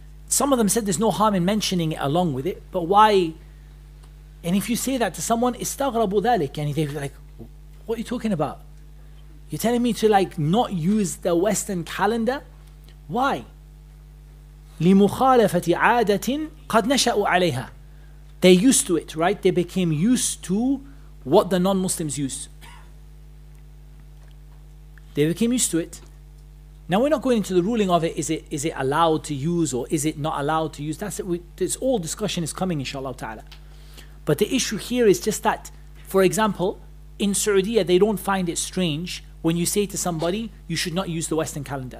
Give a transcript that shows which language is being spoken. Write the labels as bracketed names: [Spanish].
[English] Some of them said there's no harm in mentioning it along with it, but why? And if you say that to someone, [Arabic] استغربوا ذلك, [English] and they're like, what are you talking about? You're telling me to like not use the Western calendar? Why? [Arabic] لمخالفة عادة قد نشأوا عليها. [English] They're used to it, right? They became used to what the non-Muslims use. They became used to it. Now we're not going into the ruling of it. Is it allowed to use or is it not allowed to use? That's it. This all discussion is coming, inshallah ta'ala. But the issue here is just that, for example, in Saudi, they don't find it strange when you say to somebody, you should not use the Western calendar.